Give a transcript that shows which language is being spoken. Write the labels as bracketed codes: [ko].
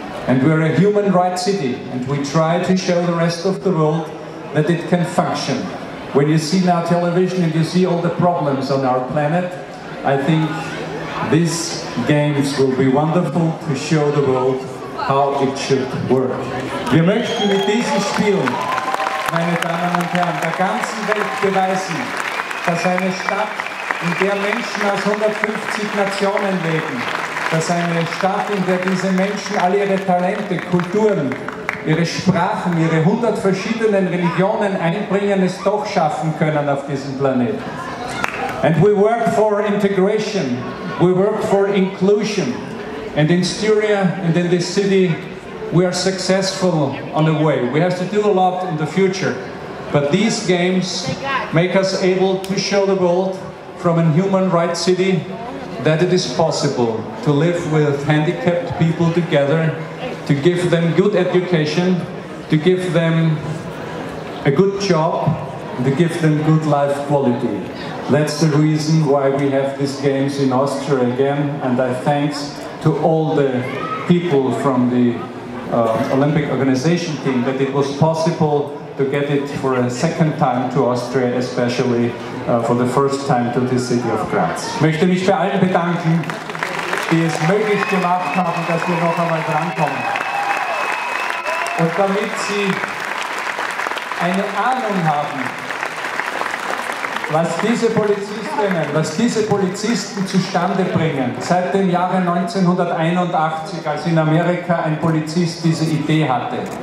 [en] And we're a human rights city, and we try to show the rest of the world that it can function. When you see now television and you see all the problems on our planet, I think these games will be wonderful to show the world how it should work. [de] Wir möchten mit diesem Spiel, meine Damen und Herren, der ganzen Welt beweisen, dass eine Stadt, in der Menschen aus 150 Nationen leben, dass eine Stadt, in der diese Menschen alle ihre Talente, Kulturen, ihre Sprachen, ihre 100 verschiedenen Religionen einbringen, es doch schaffen können auf diesem Planeten. [en] And we work for integration, we work for inclusion. And in Styria and in this city, we are successful on the way. We have to do a lot in the future. But these games make us able to show the world from a human rights city that it is possible to live with handicapped people together, to give them good education, to give them a good job, and to give them good life quality. That's the reason why we have these games in Austria again, and I thanks to all the people from the Olympic organization team that it was possible to get it for a second time to Austria, especially for the first time to the city of Graz. [de] Ich möchte mich bei allen bedanken, die es möglich gemacht haben, dass wir noch einmal drankommen. Und damit Sie eine Ahnung haben, was diese Polizisten zustande bringen, seit dem Jahre 1981, als in Amerika ein Polizist diese Idee hatte.